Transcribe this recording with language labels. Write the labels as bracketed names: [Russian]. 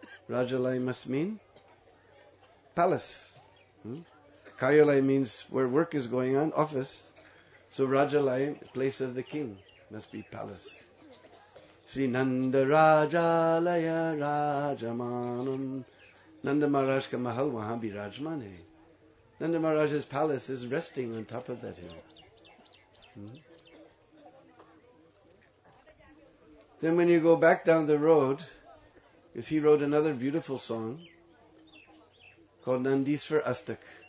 [English] Rajalai must mean palace. Karyalai means where work is going on, office. So Rajalai, place of the king, must be palace. [Sanskrit] Sri Nanda Rajalaya Rajamanam. [Hindi] नंद महाराज का महल वहाँ भी राजमान है। [English] Nanda Maharaj's palace is resting on top of that hill. Then when you go back down the road, because he wrote another beautiful song called Nandishwar Astak.